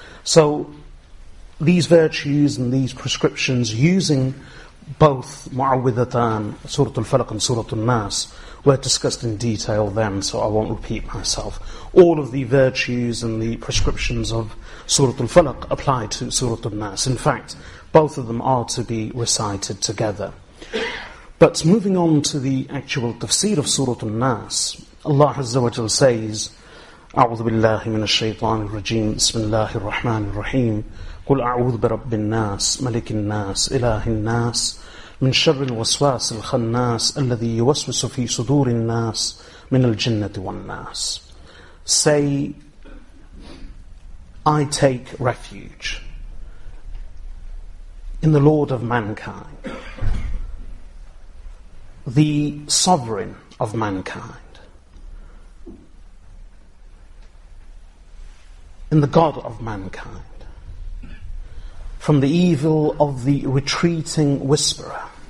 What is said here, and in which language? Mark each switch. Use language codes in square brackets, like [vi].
[en] So these virtues and these prescriptions, using both Mu'awwidhatan, Surah Al-Falaq and Surah An-Nas, were discussed in detail then, so I won't repeat myself. All of the virtues and the prescriptions of Surah Al-Falaq apply to Surah An-Nas. In fact, both of them are to be recited together. But moving on to the actual tafsir of Surah An-Nas, Allah Azza wa Jal says, [ar] أعوذ بالله من الشيطان الرجيم بسم الله الرحمن الرحيم قل أعوذ برب الناس ملك الناس إله الناس من شر الوسواس الخناس الذي يوسوس في صدور الناس من الجنة والناس. [en] Say, I take refuge in the Lord of mankind, the sovereign of mankind, in the God of mankind, from the evil of the retreating whisperer.